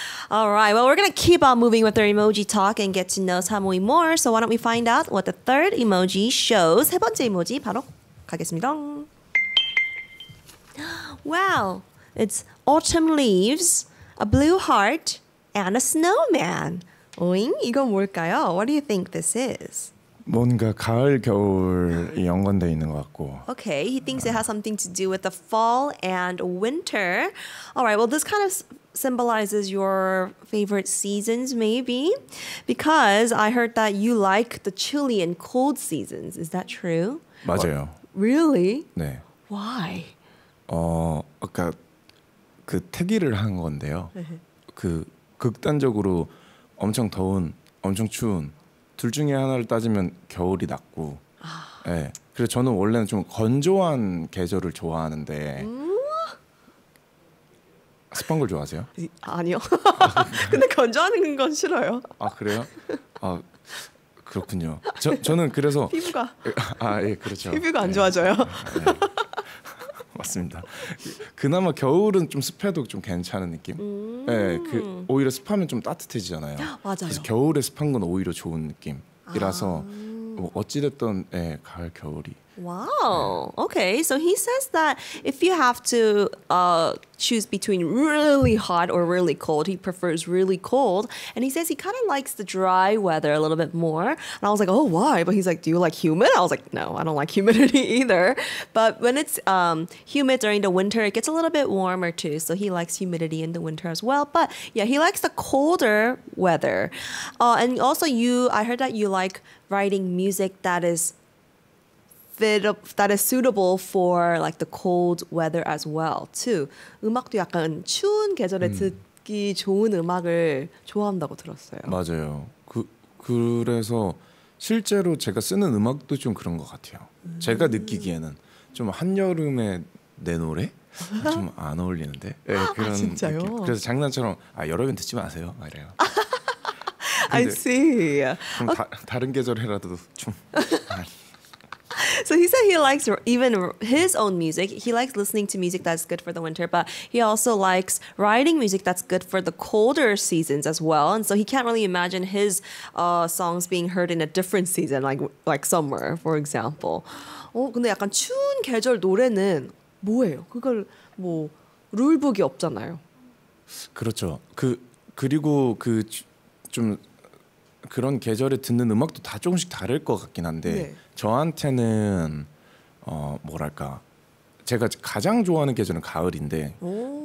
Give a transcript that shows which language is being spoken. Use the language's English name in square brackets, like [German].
[English] All right, well, we're going to keep on moving with our emoji talk and get to know Hamui more. So why don't we find out what the third emoji shows. [Korean] 세 번째 이모지 바로 가겠습니다. [English] Wow, it's autumn leaves, a blue heart, and a snowman. Oing, [Korean] 이건 뭘까요? [English] What do you think this is? [Korean] 뭔가 가을, 겨울이 연관되어 있는 것 같고. [English] Okay, he thinks it has something to do with the fall and winter. All right, well, this kind of symbolizes your favorite seasons, maybe. Because I heard that you like the chilly and cold seasons. Is that true? [Korean] 맞아요. [English] What? Really? [Korean] 네. [English] Why? [Korean] 아까 그 태기를 한 건데요. 그 극단적으로 엄청 더운, 엄청 추운 둘 중에 하나를 따지면 겨울이 낫고. 아. 예. 그래서 저는 원래는 좀 건조한 계절을 좋아하는데. 습한 걸 좋아하세요? 아니요. 근데 건조하는 건 싫어요. 아, 그래요? 아, 그렇군요. 저는 그래서 피부가 아, 예, 그렇죠. 피부가 안 예. 좋아져요. 예. 맞습니다. 그나마 겨울은 좀 습해도 좀 괜찮은 느낌. 예, 그 오히려 습하면 좀 따뜻해지잖아요. 맞아요. 그래서 겨울에 습한 건 오히려 좋은 느낌이라서 아. 뭐 어찌 됐든 예, 가을 겨울이 [English] Wow. Okay. So he says that if you have to choose between really hot or really cold, he prefers really cold. And he says he kind of likes the dry weather a little bit more. And I was like, oh, why? But he's like, do you like humid? I was like, no, I don't like humidity either. But when it's humid during the winter, it gets a little bit warmer too. So he likes humidity in the winter as well. But yeah, he likes the colder weather. And also you, I heard that you like writing music that is that is suitable for like the cold weather as well too. [Korean] 음악도 약간 추운 계절에 듣기 좋은 음악을 좋아한다고 들었어요. 맞아요. 그래서 실제로 제가 쓰는 음악도 좀 그런 것 같아요. 제가 느끼기에는 좀 한여름에 내 노래 좀 안 어울리는데. 네, 그런 아 진짜요? 느낌. 그래서 장난처럼 아 여러분 듣지 마세요. 막 이래요. [English] I see. [Korean] 그럼 다른 계절에라도 좀. [English] So he said he likes even his own music. He likes listening to music that's good for the winter, but he also likes writing music that's good for the colder seasons as well. And so he can't really imagine his songs being heard in a different season, like summer, for example. [Korean] 근데 약간 추운 계절 노래는 뭐예요? 그걸 뭐 룰북이 없잖아요. 그렇죠. 그리고 그 좀 그런 계절에 듣는 음악도 다 조금씩 다를 것 같긴 한데 네. 저한테는 뭐랄까 제가 가장 좋아하는 계절은 가을인데 오.